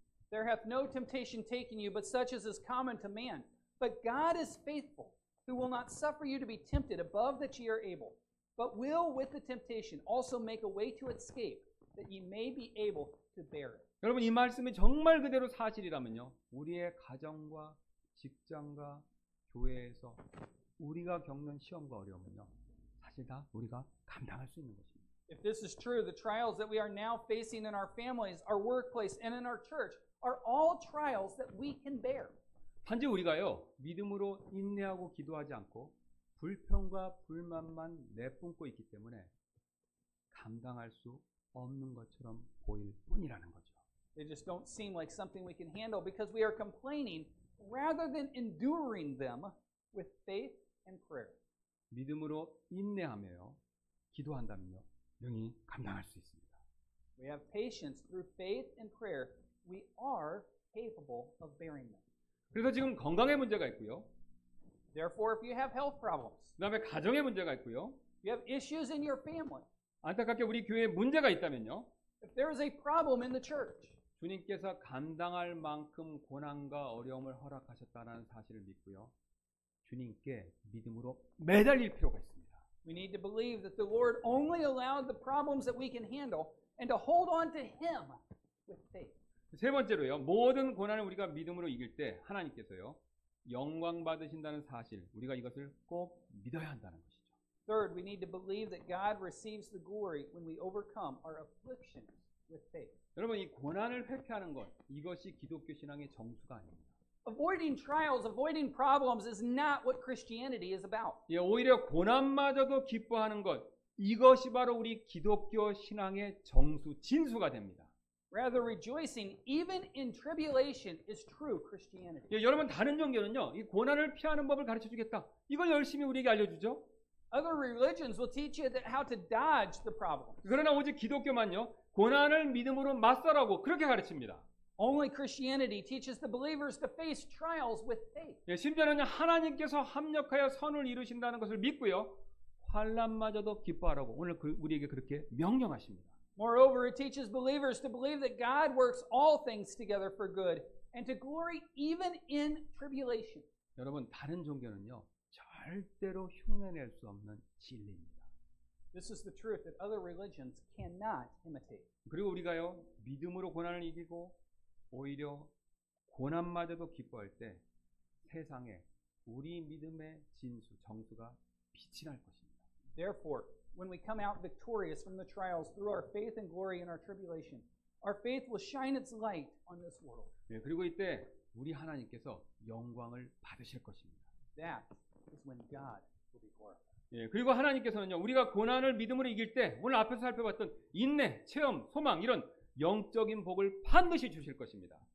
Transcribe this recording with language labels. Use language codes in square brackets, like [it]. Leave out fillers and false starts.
[en] There hath no temptation taken you but such as is common to man, but God is faithful, who will not suffer you to be tempted above that ye are able, but will with the temptation also make a way to escape that ye may be able to bear it. [ko] 여러분 이 말씀이 정말 그대로 사실이라면요, 우리의 가정과 직장과 교회에서 우리가 겪는 시험과 어려움은요, 사실 다 우리가 감당할 수 있는 것입니다. [en] If this is true, the trials that we are now facing in our families, our workplace, and in our church are all trials that we can bear. [ko] 단지 우리가요 믿음으로 인내하고 기도하지 않고 불평과 불만만 내뿜고 있기 때문에 감당할 수 없는 것처럼 보일 뿐이라는 거죠. [en] They just don't seem like something we can handle because we are complaining rather than enduring them with faith and prayer. [ko] 믿음으로 인내하며요, 기도한다면요, 능히 감당할 수 있습니다. [en] We have patience through faith and prayer. We are capable of bearing them. [ko] 그래서 지금 건강의 문제가 있고요. [en] Therefore, if you have health problems, [ko] 그다음에 가정의 문제가 있고요. [en] You have issues in your family. [ko] 안타깝게 우리 교회에 문제가 있다면요. [en] If there is a problem in the church. [ko] 주님께서 감당할 만큼 고난과 어려움을 허락하셨다는 사실을 믿고요. 주님께 믿음으로 매달릴 필요가 있습니다. [en] We need to believe that the Lord only allowed the problems that we can handle and to hold on to Him with faith. [ko] 세 번째로요. 모든 고난을 우리가 믿음으로 이길 때 하나님께서요. 영광 받으신다는 사실. 우리가 이것을 꼭 믿어야 한다는 것이죠. [en] Third, we need to believe that God receives the glory when we overcome our afflictions. With faith. [ko] 여러분 이 고난을 회피하는 것 이것이 기독교 신앙의 정수가 아닙니다. [en] Avoiding trials, avoiding problems is not what Christianity is about. [ko] 예, 오히려 고난마저도 기뻐하는 것 이것이 바로 우리 기독교 신앙의 정수 진수가 됩니다. [en] Rather rejoicing even in tribulation is true Christianity. [ko] 예, 여러분 다른 종교는요. 이 고난을 피하는 법을 가르쳐 주겠다. 이걸 열심히 우리에게 알려 주죠. [en] Other religions will teach you that how to dodge the problem. [ko] 그러나 오직 기독교만요. 고난을 믿음으로 맞서라고 그렇게 가르칩니다. [en] Only Christianity teaches the believers to face trials with faith. [ko] 예, 심지어는 하나님께서 합력하여 선을 이루신다는 것을 믿고요. 환난마저도 기뻐하라고 오늘 그, 우리에게 그렇게 명령하십니다. [en] Moreover, it teaches believers to believe that God works all things together for good and to glory even in tribulation. [ko] 여러분 다른 종교는요 절대로 흉내낼 수 없는 진리입니다. [en] This is the truth that other religions cannot imitate. [ko] 그리고 우리가요 믿음으로 고난을 이기고 오히려 고난마저도 기뻐할 때 세상에 우리 믿음의 진수 정수가 빛이 날 것입니다. [en] Therefore, when we come out victorious from the trials through our faith and glory in our tribulation, our faith will shine its light on this world. [ko] 예, 그리고 이때 우리 하나님께서 영광을 받으실 것입니다. [en] That is when God will be glorified. [ko] 예, 그리고 하나님께서는요, 우리가 고난을 믿음으로 이길 때 오늘 앞에서 살펴봤던 인내, 체험, 소망 이런 영적인 복을 반드시 주실 것입니다.